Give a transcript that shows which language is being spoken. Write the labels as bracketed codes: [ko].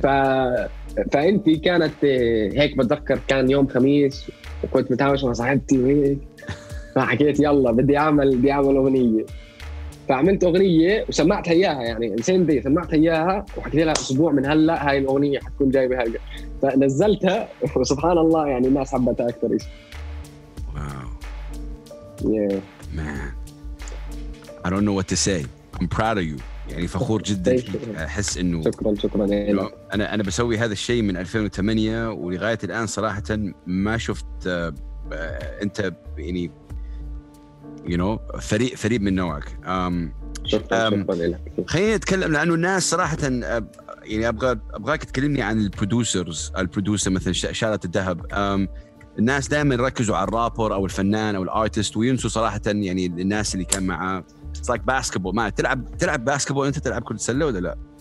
[ar] فانت كانت هيك بتذكر كان يوم خميس وكنت متعاوش مع صاحبتي وهيك فحكيت يلا بدي اعمل اغنيه فعملت اغنيه وسمعتها اياها يعني انسين دي سمعتها اياها وحكيت لها اسبوع من هلا هاي الاغنيه حتكون جايبه هلا فنزلتها وسبحان الله يعني الناس حبتها اكثر شيء واو [en] yeah. man I don't know what to say I'm proud of you [ar] يعني فخور جدا احس انه شكرا انا بسوي هذا الشيء من 2008 ولغايه الان صراحه ما شفت انت يعني [en] you know [ar] فريق من نوعك شكرا لك خلينا نتكلم لانه الناس صراحه يعني ابغاك تكلمني عن البرودوسرز البرودوسر مثل شارة الذهب الناس دائما ركزوا على الرابر او الفنان او الارتست وينسوا صراحه يعني الناس اللي كان معه [en] It's like basketball. [ar] ما تلعب باسكتبول أنت تلعب كرة سلة ولا لا؟